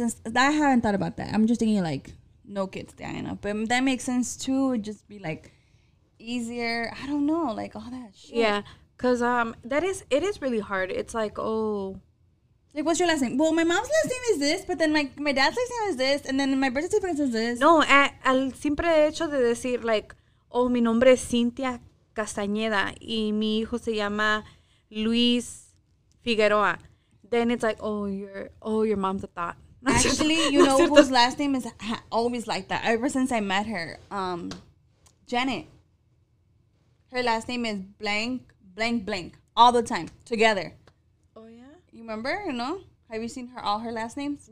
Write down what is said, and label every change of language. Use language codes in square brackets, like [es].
[en] And I haven't thought about that. I'm just thinking, like, no kids, Diana. But that makes sense, too. It would just be, like, easier. I don't know. Like, all that shit. Yeah. Because it is really hard. It's like, oh. Like, what's your last name? Well, my mom's last name is this, but then, like, my dad's last name is this, and then my birth certificate is this. [es] No, al simple hecho de decir, [en] like, oh, [es] mi nombre es Cynthia Castañeda, y mi hijo se llama Luis Figueroa. [en] Then it's like, your mom's a thought. Actually, you know whose last name is always like that, ever since I met her? Janet. Her last name is blank, blank, blank, all the time, together. Remember, you know? Have you seen her last names?